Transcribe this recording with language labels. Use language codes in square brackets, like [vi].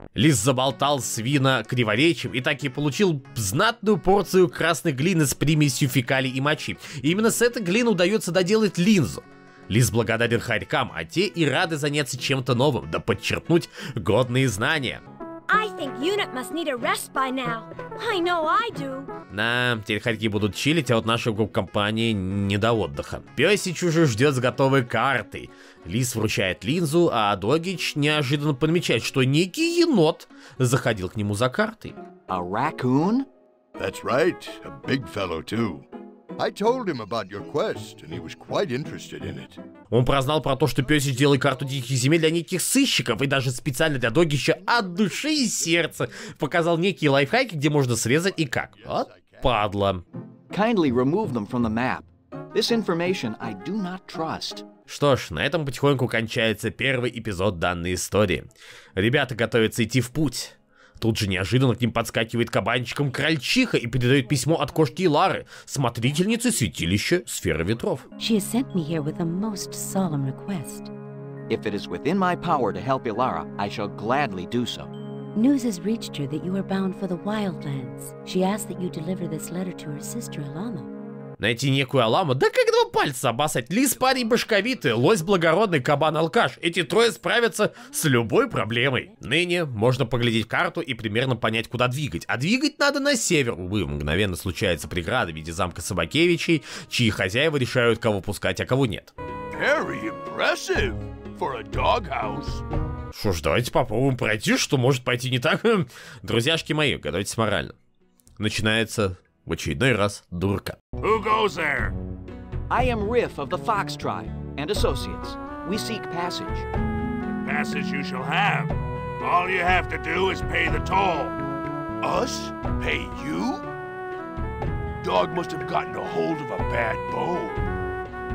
[ru] Лис заболтал свина криворечием и так и получил знатную порцию красной глины с примесью фекалий и мочи. И именно с этой глины удается доделать линзу. Лис благодарен хорькам, а те и рады заняться чем-то новым, да подчеркнуть годные знания. [en] I think Unit must need a rest by now. I know I do. [ru] На, теперь хорьки будут чилить, а вот наша губ-компания не до отдыха. Песич уже ждет с готовой картой. Лис вручает линзу, а Догич неожиданно подмечает, что некий енот заходил к нему за картой. [en] A raccoon? That's right, a big fellow too. I told him about your quest, and he was quite interested in it. [ru] Он прознал про то, что Пёсич делает карту диких земель для неких сыщиков, и даже специально для Догича от души и сердца показал некие лайфхаки, где можно срезать и как. Вот падла. [en] Kindly remove them from the map. This information I do not trust. [ru] Что ж, на этом потихоньку кончается первый эпизод данной истории. Ребята готовятся идти в путь. Тут же неожиданно к ним подскакивает кабанчиком крольчиха и передает письмо от кошки Лары, смотрительницы святилища Сферы Ветров. [en] She has sent me here with a most solemn request. If it is within my power to help Ilara, I shall gladly do so. News has reached her that you are bound for the Wildlands. She asks that you deliver this letter to her sister Alama. [ru] Найти некую Алама? Да как два пальца обоссать? Лис парень башковитый, лось благородный, кабан алкаш. Эти трое справятся с любой проблемой. Ныне можно поглядеть карту и примерно понять, куда двигать. А двигать надо на север. Увы, мгновенно случается преграда в виде замка Собакевичей, чьи хозяева решают, кого пускать, а кого нет. [en] Very impressive for a doghouse. [ru] Что ж, давайте попробуем пройти, что может пойти не так. Друзьяшки мои, готовьтесь морально. Начинается в очередной раз дурка. [en] Who goes there? I am Riff of the Fox Tribe and Associates. We seek passage. Passage you shall have. All you have to do is pay the toll. Us? Pay you? Dog must have gotten a hold of a bad bone.